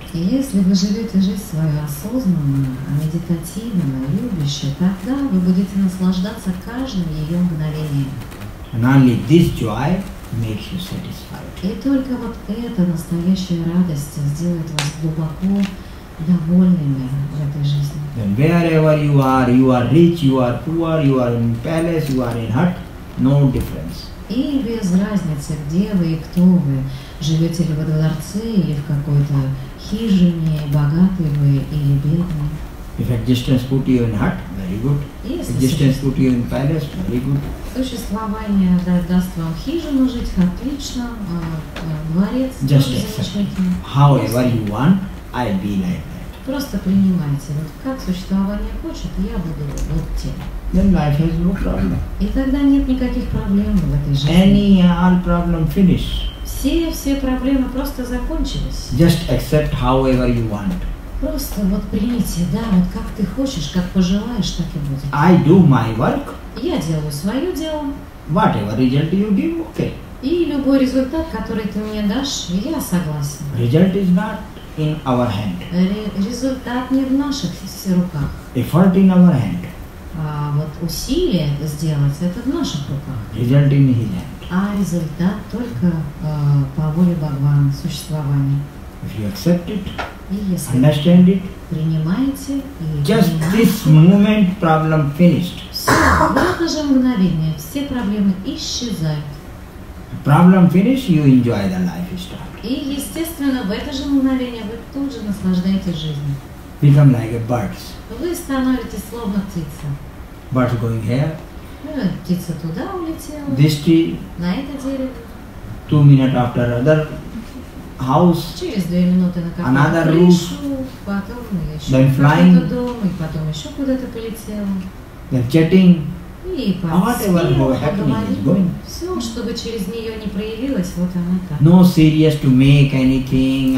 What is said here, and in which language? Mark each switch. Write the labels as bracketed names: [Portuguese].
[Russian] И если вы живете жизнь свою осознанно, медитативно, любяще, тогда вы будете наслаждаться каждым ее мгновением. [English] And only this joy makes you satisfied. [Russian] И только вот эта настоящая радость сделает вас глубоко довольными в этой жизни. [English] Then wherever you are rich, you are poor, you are in palace, you are in hut, no difference. [Russian] И без разницы, где вы и кто вы, живете ли во дворце или в какой-то хижине, богатый вы или бедный. [English] If existence put you in hut, very good. Existence put you in palace, very good. [Russian] Существование даст вам хижину жить, отлично, дворец, замечательно. [English] However you want, I'll be like that. [Russian] Просто принимайте. Вот как существование хочет, я буду вот тем. [English] Then life has no problem. [Russian] И тогда нет никаких проблем в этой жизни. [English] Any all problem finish. [Russian] Все проблемы просто закончились. [English] Just accept however you want. [Russian] Просто вот примите, да, вот как ты хочешь, как пожелаешь, так и будет. [English] I do my work. [Russian] Я делаю свое дело. [English] Whatever result you give, okay. [Russian] И любой результат, который ты мне дашь, я согласен. [English] Result is not in our hand. [Russian] Результат не в наших руках. [English] Effort in our hand. [Russian] А вот усилие это сделать, это в наших руках. [English] Result in his hand. [Russian] А результат только по воле Бхагавана, существования. [English] If you accept it, [Russian] и если [English] understand it, [Russian] принимаете и [English] just this moment problem finished. [Russian] Все, в это же мгновение все проблемы исчезают. [English] Problem finished, you enjoy the life start. [Russian] И естественно в это же мгновение вы тут же наслаждаетесь жизнью. [English] Become like a birds. [Russian] Вы становитесь словно птица. [English] Birds going here. [Russian] Птица туда улетела. [English] This tree. [Russian] На это дерево. [English] 2 minutes after other house. [Russian] Через 2 минуты на какую-то [English] another [Russian] крышу, [English] roof. [Russian] Потом еще [English] then flying. [Russian] Куда-то дом, и потом еще куда-то полетела. [English] Then chatting. [Russian] И [English] whatever happening is going. [Russian] Все, чтобы через нее не проявилось, вот она так. [English] No serious to make anything.